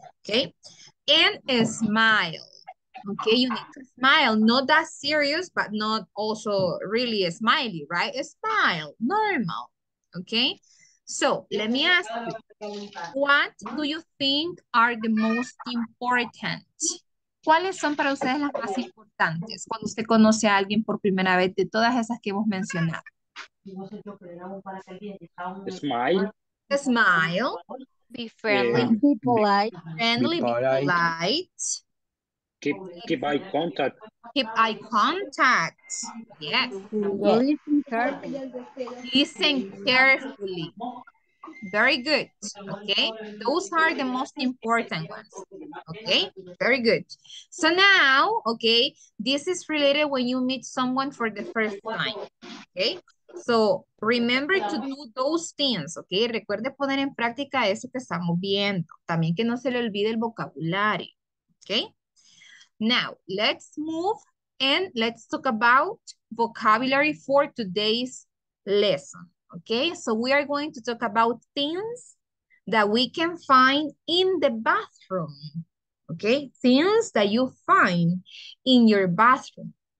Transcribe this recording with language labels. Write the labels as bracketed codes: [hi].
[en] Okay, and a smile. Okay, you need to smile, not that serious, but not also really a smiley, right? A smile, normal, okay? So, let me ask you, what do you think are the most important? [es] ¿Cuáles son para ustedes las más importantes cuando usted conoce a alguien por primera vez de todas esas que hemos mencionado? [en] Smile. A smile. Be friendly. Be polite. Friendly, be polite. Keep eye contact. Keep eye contact. Yes. Listen carefully. Listen carefully. Very good. Okay. Those are the most important ones. Okay. Very good. So now, okay, this is related when you meet someone for the first time. Okay. So remember to do those things. Okay. [es] Recuerde poner en práctica eso que estamos viendo. También que no se le olvide el vocabulario. [en] Okay. Now, let's move and let's talk about vocabulary for today's lesson, okay? So we are going to talk about things that we can find in the bathroom, okay? Things that you find in your bathroom.